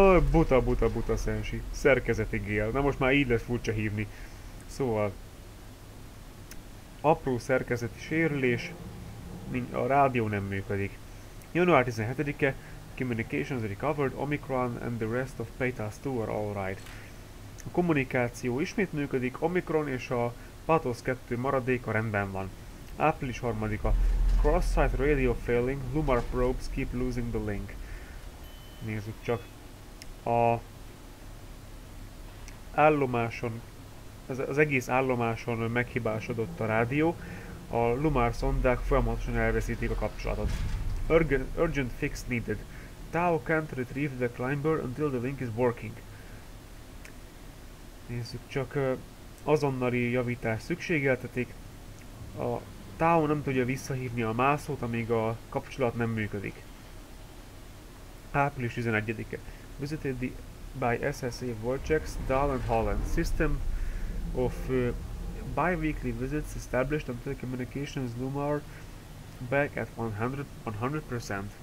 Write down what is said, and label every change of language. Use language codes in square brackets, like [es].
[hu] Buta, buta, buta, Szensi. Szerkezeti gél. Na most már így lesz furcsa hívni. Szóval... apró szerkezeti sérülés. A rádió nem működik. Január 17-e. [en] Communications recovered. Omicron and the rest of Peta's two are alright. [hu] A kommunikáció ismét működik. Omicron és a Pathos 2 maradéka rendben van. Április 3-a. [en] Cross-site radio failing. Lumar probes keep losing the link. [hu] Nézzük csak. A állomáson, az egész állomáson meghibásodott a rádió, a Lumar szondák folyamatosan elveszítik a kapcsolatot. [en] Urgent fix needed. Tao can't retrieve the climber until the link is working. [hu] Nézzük csak, azonnali javítás szükségeltetik. A Tao nem tudja visszahívni a mászót, amíg a kapcsolat nem működik. Április 11-e. [en] Visited by SSA Vortex, Dahl and Holland. System of bi-weekly visits established until communications Lumar back at 100%.